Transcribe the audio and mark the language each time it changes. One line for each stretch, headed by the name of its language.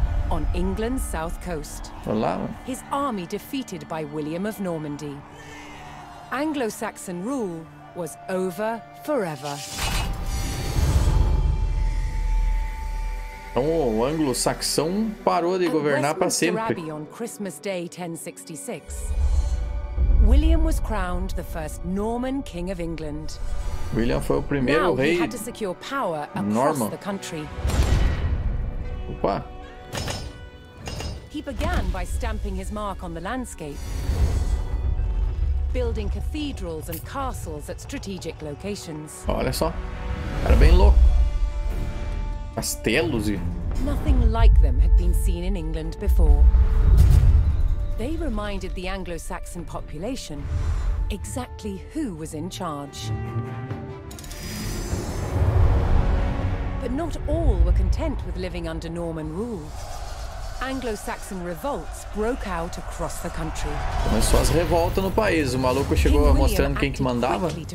English: On England's south coast. Olá. His army defeated by William of Normandy. Anglo-Saxon rule was over forever.
Portuguese: Então, o anglo-saxão parou de governar para sempre.
English: On Christmas Day 1066. William was crowned the first Norman King of England.
Portuguese: William foi o primeiro
English: now,
Portuguese: rei.
English: He had to secure power across Norman. The country.
Portuguese: Opa.
English: He began by stamping his mark on the landscape, building cathedrals and castles at strategic locations.
Portuguese: Olha só. Era bem louco. Castelos e...
English: Nothing like them had been seen in England before. They reminded the Anglo-Saxon population exactly who was in charge. But not all were content with living under Norman rule. Anglo-Saxon revolts broke out across the country.
Portuguese: Começou as revoltas no país. O maluco chegou mostrando quem que mandava.